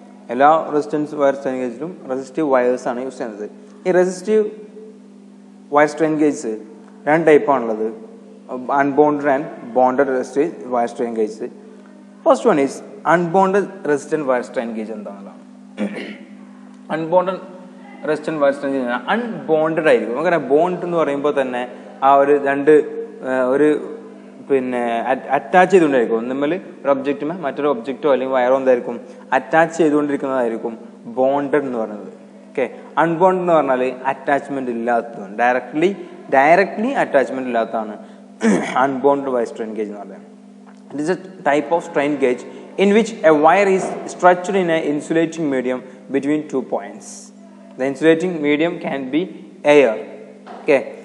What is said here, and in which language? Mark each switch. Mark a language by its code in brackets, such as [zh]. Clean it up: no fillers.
[en] All resistance wire strain gauge is resistive wires on used. This resistive wire strain gauge is two type on unbonded and bonded resistive wire strain gauge. First one is unbonded resistant wire strain gauge. Unbonded resistant wire strain gauge unbonded ആയിരിക്കും. [ml] നമുക്ക് bond എന്ന് പറയുമ്പോൾ തന്നെ ആ ഒരു രണ്ട് ഒരു പിന്നെ അറ്റാച്ച് ചെയ്തുകൊണ്ടായിരിക്കും. ഒന്നുമിൽ ഒരു ഒബ്ജക്റ്റുമേ മറ്റൊരു ഒബ്ജക്റ്റോ അല്ലെങ്കിൽ വയറോ എന്തായിരിക്കും അറ്റാച്ച് ചെയ്തുകൊണ്ടിരിക്കുന്നതായിരിക്കും ബോണ്ടഡ് എന്ന് പറയുന്നത്. ഓക്കെ, അൺബോണ്ടഡ് എന്ന് പറഞ്ഞാൽ അറ്റാച്ച്മെന്റ് ഇല്ലാത്തതും ഡയറക്ട്ലി അറ്റാച്ച്മെന്റ് ഇല്ലാത്തതാണ് അൺബോണ്ടഡ് വയർ സ്ട്രെയിൻ ഗേജ് എന്ന് പറയുന്നത്. [en] It is a type of strain gauge in which a wire is stretched in an insulating medium between two points. The insulating medium can be air. Okay.